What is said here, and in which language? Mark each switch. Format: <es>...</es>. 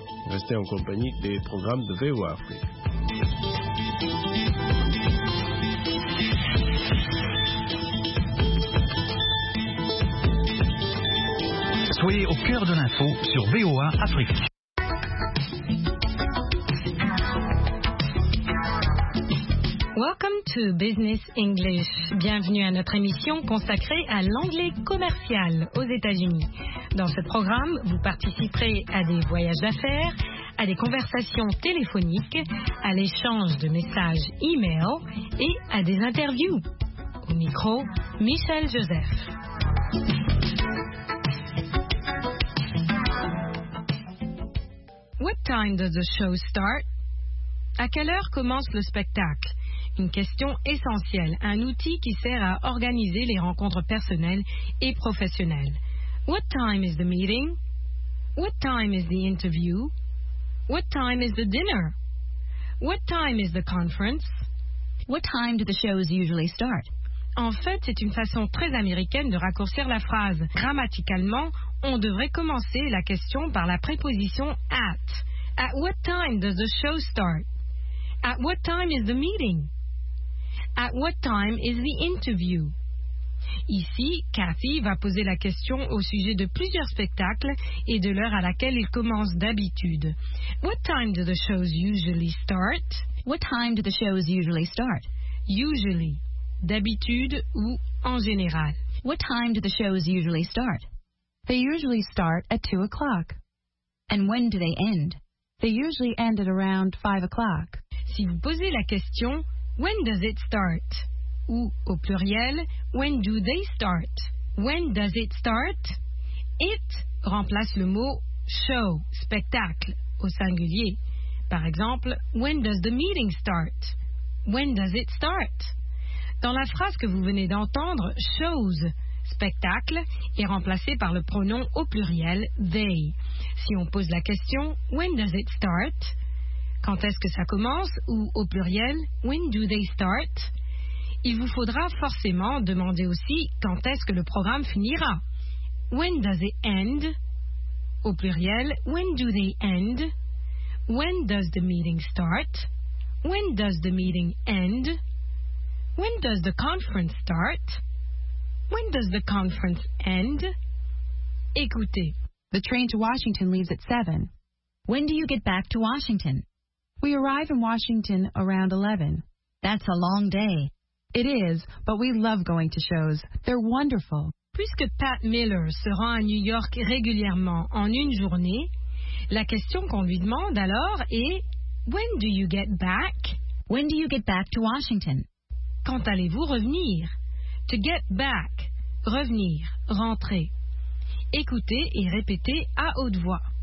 <fr>Restez en compagnie des programmes de VOA Afrique. Soyez au cœur de l'info sur VOA Afrique.</fr> <en>Welcome to Business English.</en> <fr>Bienvenue à notre émission consacrée à l'anglais commercial aux États-Unis. Dans ce programme, vous participerez à des voyages d'affaires, à des conversations téléphoniques, à l'échange de messages e-mail et à des interviews. Au micro, Michel Joseph.</fr> <en>What time does the show start?</en> <fr>À quelle heure commence le spectacle? Une question essentielle, un outil qui sert à organiser les rencontres personnelles et professionnelles.</fr> <en>What time is the meeting? What time is the interview? What time is the dinner? What time is the conference? What time do the shows usually start?</en> <fr>En fait, c'est une façon très américaine de raccourcir la phrase. Grammaticalement, on devrait commencer la question par la préposition at.</fr> <en>At what time does the show start? At what time is the meeting? At what time is the interview?</en> <fr>Ici, Cathy va poser la question au sujet de plusieurs spectacles et de l'heure à laquelle ils commencent d'habitude.</fr> <en>What time do the shows usually start? What time do the shows usually start? Usually.</en> <fr>D'habitude ou en général.</fr> <en>What time do the shows usually start? They usually start at 2 o'clock. And when do they end? They usually end at around 5 o'clock.</en> <fr>Si vous posez la question,</fr> <en>when does it start?</en> <fr>Ou au pluriel,</fr> <en>when do they start? When does it start?</en> <fr>It remplace le mot show, spectacle, au singulier. Par exemple,</fr> <en>when does the meeting start? When does it start?</en> <fr>Dans la phrase que vous venez d'entendre, shows, spectacle, est remplacé par le pronom au pluriel they. Si on pose la question,</fr> <en>when does it start?</en> <fr>Quand est-ce que ça commence? Ou au pluriel,</fr> <en>when do they start?</en> <fr>Il vous faudra forcément demander aussi quand est-ce que le programme finira.</fr> <en>When does it end?</en> <fr>Au pluriel,</fr> <en>when do they end? When does the meeting start? When does the meeting end? When does the conference start? When does the conference end?</en> <fr>Écoutez.</fr> <en>The train to Washington leaves at 7. When do you get back to Washington? We arrive in Washington around 11. That's a long day. It is, but we love going to shows. They're wonderful.</en> <fr>Puisque Pat Miller se rend à New York régulièrement en une journée, la question qu'on lui demande alors est</fr> <en>When do you get back? When do you get back to Washington?</en> <fr>Quand allez-vous revenir?</fr> <en>To get back.</en> <fr>Revenir. Rentrer. Écoutez et répétez à haute voix.</fr>